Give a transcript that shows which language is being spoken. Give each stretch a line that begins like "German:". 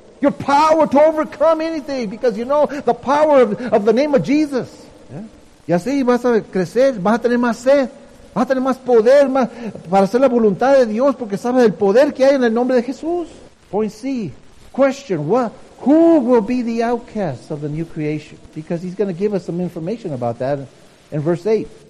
English: Your power to overcome anything, because you know the power of the name of Jesus.
Spanish: Y así vas a crecer, vas a tener más sed, vas a tener más poder, más para hacer la voluntad de Dios, porque sabes el poder que hay en el nombre de Jesús.
English: Point C, question, what? Who will be the outcast of the new creation? Because he's going to give us some information about that in verse 8.